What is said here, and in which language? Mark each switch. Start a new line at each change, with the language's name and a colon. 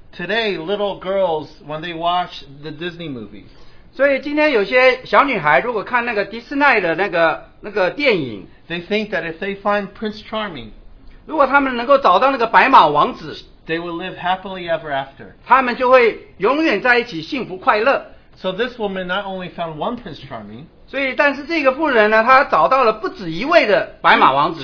English: Today, little girls, when they watch the Disney movies,
Chinese: 所以今天有些小女孩如果看那个迪士尼的那个电影,
English: they think that if they find Prince Charming,
Chinese: 如果他们能够找到那个白马王子,
English: they will live happily ever after.
Chinese: 他们就会永远在一起幸福快乐。
English: So this woman not only found one Prince Charming,
Chinese: 所以但是这个妇人呢, 她找到了不止一位的白马王子,